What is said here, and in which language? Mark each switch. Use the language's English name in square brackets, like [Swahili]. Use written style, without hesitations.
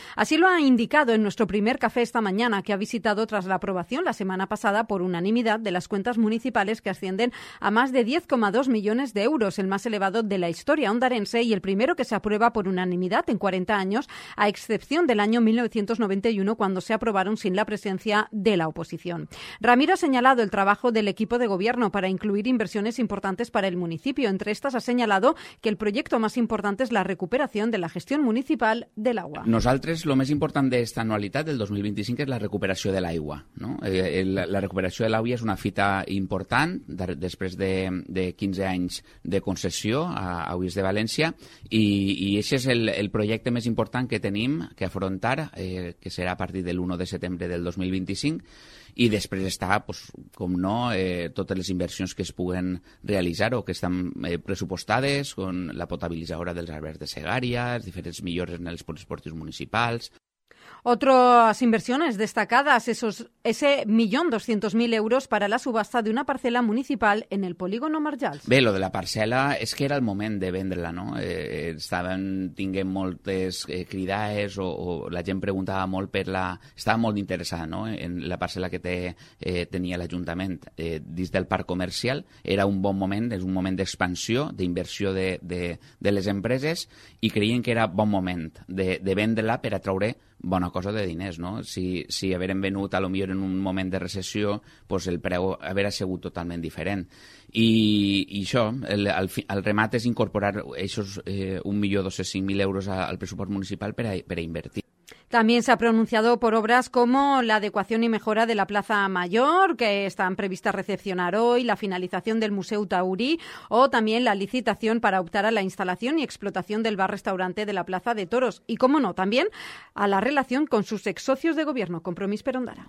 [Spanish] Así lo ha indicado en nuestro primer café esta mañana, que ha visitado tras la aprobación la semana pasada por unanimidad de las cuentas municipales, que ascienden a más de 10,2 millones de euros, el más elevado de la historia ondarense y el primero que se aprueba por unanimidad en 40 años, a excepción del año 1991, cuando se aprobaron sin la presencia de la oposición. Ramiro ha señalado el trabajo del equipo de gobierno para incluir inversiones importantes para el municipio. Entre estas ha señalado que el proyecto más importante es la recuperación de la gestión municipal del agua. [Catalan] Nosaltres, lo més important d'esta anualitat del 2025 és la recuperació de l'aigua. No? La recuperació de l'aigua és una fita important després de 15 anys de concessió a Aigües de València i aquest és el projecte més important que tenim que afrontar, que serà a partir de l'1 de setembre del 2025. I després està, pues, com no, totes les inversions que es puguen realitzar o que estan pressupostades, con la potabilitzadora dels Alberts de Segària, diferents millores en els esportius municipals. [Spanish] Otras inversiones destacadas, ese 1.200.000 euros para la subasta de una parcela municipal en el polígono Marjals. [Catalan] Bé, lo de la parcela és que era el moment de vendre-la, no? Tinguem moltes cridades o la gent preguntava molt per la... Estava molt interessada, no?, en la parcela que tenia l'Ajuntament dins del parc comercial. Era un bon moment, és un moment d'expansió, d'inversió de les empreses i creien que era bon moment de vendre-la per atraure bona cosa de diners, no? Si haveren venut a lo millor en un moment de recessió, pues el preu haverà sigut totalment diferent. I això, el remat és incorporar aquests 1.205.000 euros al pressupost municipal per a invertir. [Spanish] También se ha pronunciado por obras como la adecuación y mejora de la Plaza Mayor, que están previstas recepcionar hoy, la finalización del Museu Taurí o también la licitación para optar a la instalación y explotación del bar-restaurante de la Plaza de Toros. Y, cómo no, también a la relación con sus ex-socios de gobierno, Compromís per Ondara.